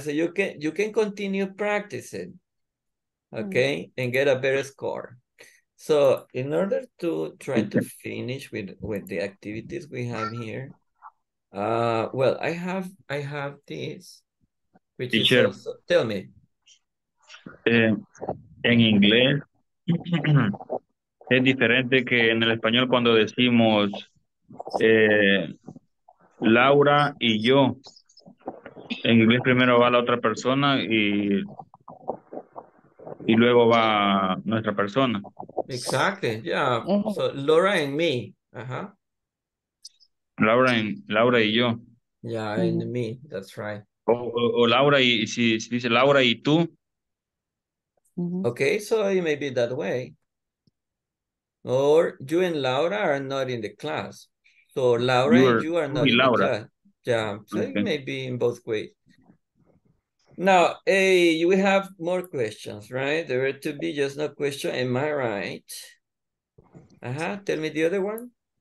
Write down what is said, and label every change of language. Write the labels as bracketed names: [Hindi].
[English] So you can continue practicing, okay, and get a better score. So in order to try to finish with the activities we have here, I have this, which is also, tell me. [Spanish] En inglés es diferente que en el español cuando decimos Laura y yo. En inglés primero va la otra persona y luego va nuestra persona. [English] Exactly, yeah. So Laura and me. [Spanish] Laura y yo. [English] Yeah, and me, that's right. [Spanish] O Laura y si dice Laura y tú. [English] Mm-hmm. Okay, so it may be that way. Or you and Laura are not in the class. So Laura and you are not in Laura. The class. Yeah, so okay. It may be in both ways. Now, hey, we have more questions, right? There are to be just no question. Am I right? Uh-huh. Tell me the other one.